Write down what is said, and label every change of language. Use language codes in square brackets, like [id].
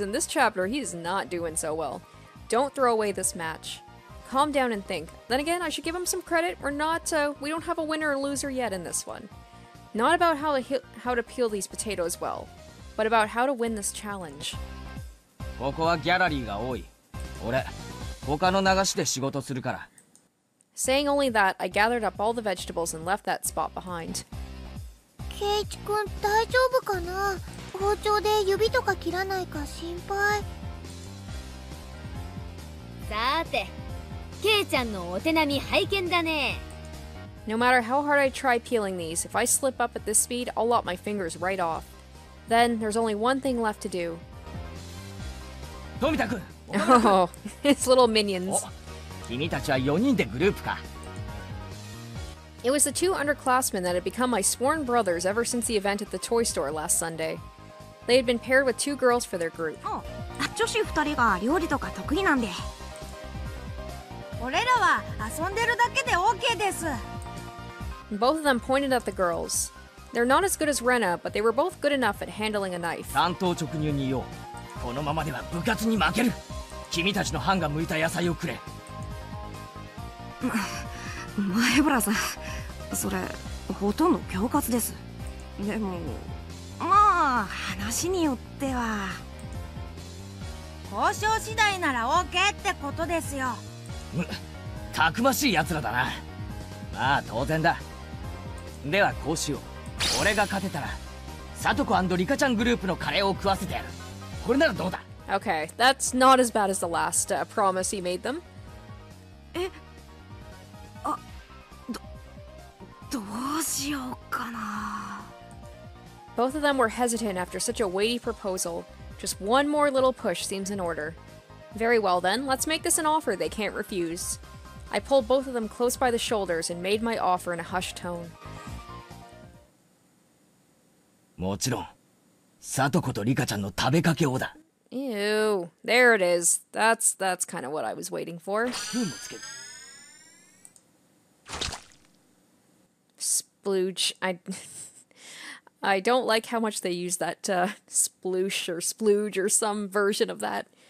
[en] In this chapter, he is not doing so well. Don't throw away this match. Calm down and think. Then again, I should give him some credit. We're not, we don't have a winner or loser yet in this one. Not about how to peel these potatoes well, but about how to win this challenge. [ja] ここはギャラリーが多い。俺、他の流しで仕事するから。 [en] Saying only that, I gathered up all the vegetables and left that spot behind. [ja] Keiichi-kun, 大丈夫かな?包丁で指とか切らないか心配。さて、ケイちゃんのお手並み拝見だね。 [en] No matter how hard I try peeling these, if I slip up at this speed, I'll lop my fingers right off. Then, there's only one thing left to do. Tomita-kun! Oh, it's little minions. Oh. [ja] 君たちは4人でグループか? [en] It was the two underclassmen that had become my sworn brothers ever since the event at the toy store last Sunday. They had been paired with two girls for their group. [ja] Oh, 女子2人が料理とか得意なんで。俺らは遊んでるだけで OK です。 [en] Both of them pointed at the girls. They're not as good as Rena, but they were both good enough at handling a knife. [ja] 単刀直入に言おう。このままでは部活に負ける。君たちの班が剥いた野菜をくれ。前原さん、それほとんど恐喝です。でも、まあ話によっては、交渉次第なら OK ってことですよ。たくましい奴らだな。まあ当然だ。ではこうしよう。俺が勝てたら、サトコ&リカちゃんグループのカレーを食わせてやる。これならどうだ [en] ？Okay, that's not as bad as the last, promise he made them. [ja] え？どうしようかな。 [en] Both of them were hesitant after such a weighty proposal. Just one more little push seems in order. Very well then, let's make this an offer they can't refuse. I pulled both of them close by the shoulders and made my offer in a hushed tone. [ja] もちろん、サトコとリカちゃんの食べかけをだ。 [en] Ew, there it is. That's kind of what I was waiting for. [ja] スプーンもつける。 [en] Splooge. I don't like how much they use that sploosh or splooge or some version of that.